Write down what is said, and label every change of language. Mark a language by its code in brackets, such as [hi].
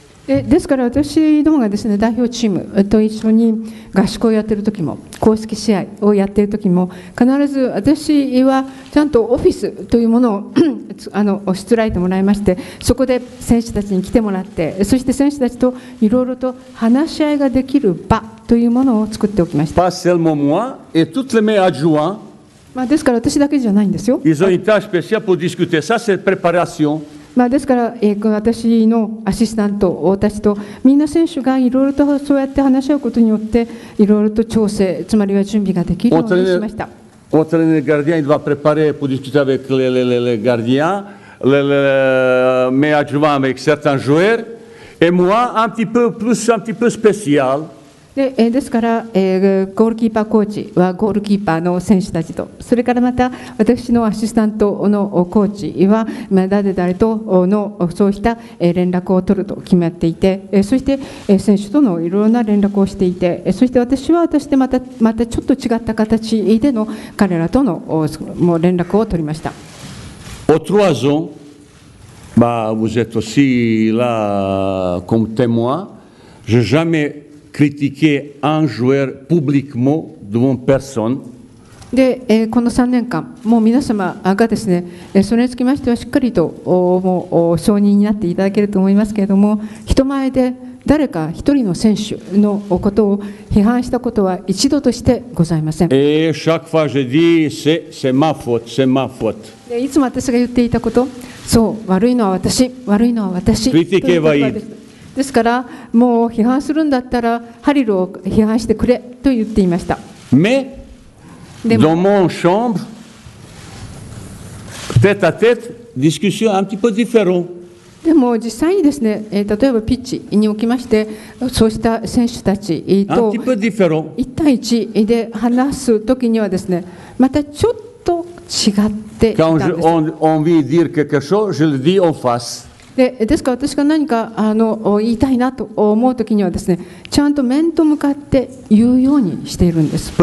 [ja] ですから私どもがですね、代表チームと一緒に合宿をやっている時も、公式試合をやっている時も、必ず私はちゃんとオフィスというものをしつらえてもらいまして、そこで選手たちに来てもらって、そして選手たちといろいろと話し合いができる場というものを作っておきました。 [fr] Pas seulement moi et tous mes adjoints. [ja] まあ、ですから私だけじゃないんですよ。 [fr] Ils ont une tâche spéciale pour discuter. Ça, c'est préparation. [ja] まあ、ですから、私のアシスタントたちと、みんな選手がいろいろとそうやって話し合うことによって、いろいろと調整、つまりは準備ができるようにしました。 [fr] Entraîner les gardiens, il va préparer pour discuter avec les gardiens, mes adjoints avec certains joueurs, et moi, un petit peu spécial. [ja] ですから、ゴールキーパーコーチはゴールキーパーの選手たちと、それからまた私のアシスタントのコーチは誰々とのそうした連絡を取ると決まっていて、そして選手とのいろいろな連絡をしていて、そして私は私でまたちょっと違った形での彼らとのもう連絡を取りました。 [fr] オトワゾン、まあ、vous êtes aussi là comme témoin, je jamais. Critiquer un joueur publiquement devant personne. [ja] で、この3年間、もう皆様がですね、それにつきましてはしっかりと、もう承認になっていただけると思いますけれども、人前で誰か一人の選手のことを批判したことは一度としてございません。 [fr] Et chaque fois je dis, c'est ma faute, c'est ma faute. [ja] で、いつも私が言っていたこと、そう、悪いのは私、悪いのは私。 [fr] Critiquez [ja] はいい。ですから、もう批判するんだったらハリルを批判してくれと言っていました。でも、 [fr] mon chambre, tête à tête, discussion un petit peu différent. [ja] でも実際にですね、例えばピッチにおきまして、そうした選手たちと一対一で話すときにはですね、またちょっと違っていたんです。 [fr] Quand on veut dire quelque chose, je le dis en face. [ja] で、ですから私が何か言いたいなと思うときにはですね、ちゃんと面と向かって言うようにしているんです。